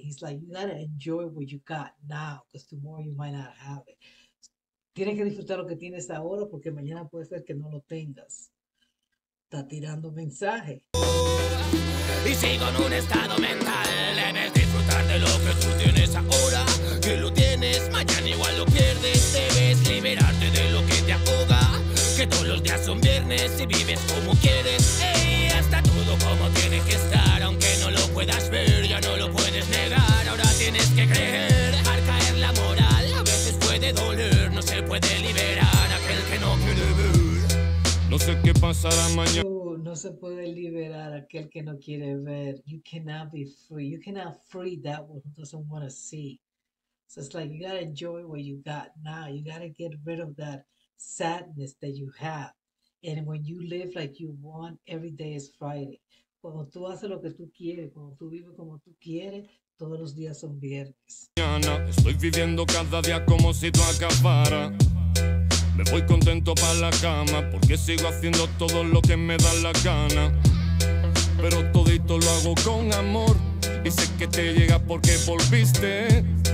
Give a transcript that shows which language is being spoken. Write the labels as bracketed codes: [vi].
[en] He's like, you gotta enjoy what you got now, because tomorrow you might not have it. [es] Tienes que disfrutar lo que tienes ahora, porque mañana puede ser que no lo tengas. Está tirando mensaje. Y sigo en un estado mental. Debes disfrutar de lo que tú tienes ahora. Que lo tienes, mañana igual lo pierdes. Debes liberarte de lo que te ahoga. Que todos los días son viernes y vives como quieres. Ey, está todo como tiene que estar. Aunque no lo puedas ver, ya no lo puedes negar. Ahora tienes que creer, dejar caer la moral. A veces puede doler, no se puede liberar. Aquel que no quiere ver, no sé qué pasará mañana. No se puede liberar aquel que no quiere ver. [en] You cannot be free. You cannot free that one who doesn't want to see. So it's like you got to enjoy what you got now. You got to get rid of that sadness that you have. And when you live like you want, every day is Friday. [es] Cuando tú haces lo que tú quieres, cuando tú vives como tú quieres, todos los días son viernes. Estoy viviendo cada día como si tú acabara. Me voy contento pa' la cama, porque sigo haciendo todo lo que me da la gana. Pero todito lo hago con amor, y sé que te llega porque volviste.